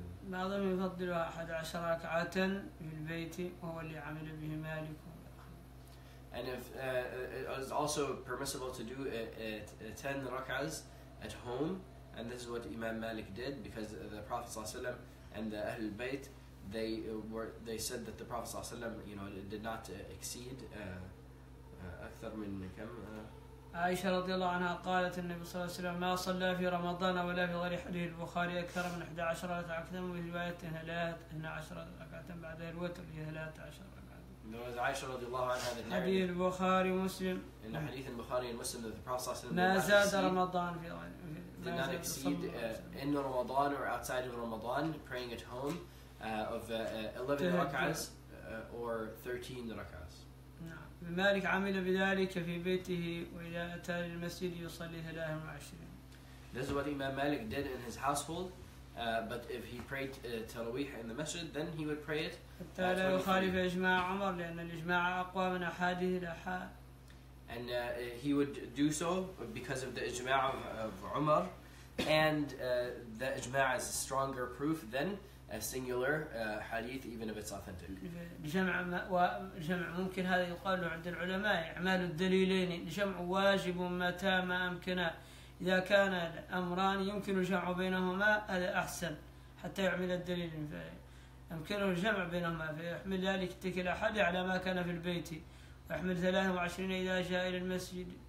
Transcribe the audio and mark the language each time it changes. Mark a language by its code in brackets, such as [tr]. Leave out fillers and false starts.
[ar] بعضهم يفضل 11 ركعة في البيت وهو اللي عمل به مالك. [en] And if it's also permissible to do it 10 rak'ahs at home, and this is what Imam Malik did, because the Prophet ﷺ and the Ahlul Bayt, they said that the Prophet ﷺ, you know, did not exceed [ar] أكثر من كم. عائشة رضي الله عنها قالت النبي صلى الله عليه وسلم ما صلى في رمضان ولا في غير حديث البخاري أكثر من 11 ركعة وفي رواية 12 ركعة بعد الوتر هي 13 ركعة. عائشة رضي الله عنها هذا حديث البخاري ومسلم. إن حديث البخاري ومسلم [en] that the Prophet [ar] صلى الله عليه وسلم ما زاد رمضان في [en] did not exceed in Ramadan or outside of Ramadan praying at home of 11 rak'ahs or 13 rak'ahs. [ar] مالك عمل بذلك في بيته وإذا أتى للمسجد يصلي 23. [en] This is what Imam Malik did in his household, but if he prayed تراويح in the masjid, then he would pray it. [ar] حتى لا يخالف إجماع عمر لأن الإجماع أقوى من أحاديث الأحاد. [en] And he would do so because of the ijma of Umar, and the ijma is a stronger proof than a singular hadith, even if it's authentic. [ar] الجمع جمع ممكن هذا يقال عند العلماء اعمال الدليلين الجمع واجب متى ما امكن اذا كان الامران يمكن الجمع بينهما هذا احسن حتى يعمل الدليلين فامكنه الجمع بينهما فيحمل ذلك تلك الاحاد على ما كان في البيت احمل 23 اذا جاء الى المسجد.